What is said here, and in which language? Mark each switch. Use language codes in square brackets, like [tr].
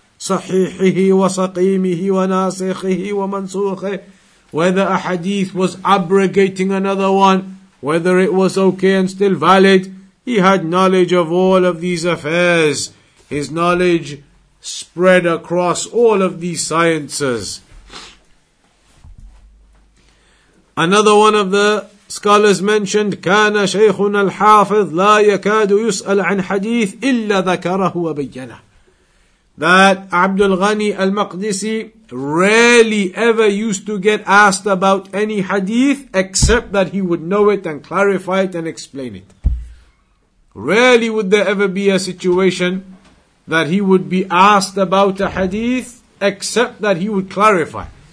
[ar] صَحِيحِهِ وَسَقِيمِهِ وَنَاسِخِهِ وَمَنْسُوخِهِ. [en] Whether a hadith was abrogating another one, whether it was okay and still valid, he had knowledge of all of these affairs. His knowledge spread across all of these sciences. Another one of the scholars mentioned, [ar] كان شيخنا الحافظ لا يكاد يسأل عن حديث إلا ذكره وبينه. [en] That Abdul Ghani al-Maqdisi rarely ever used to get asked about any hadith except that he would know it and clarify it and explain it. Rarely would there ever be a situation that he would be asked about a hadith except that he would clarify.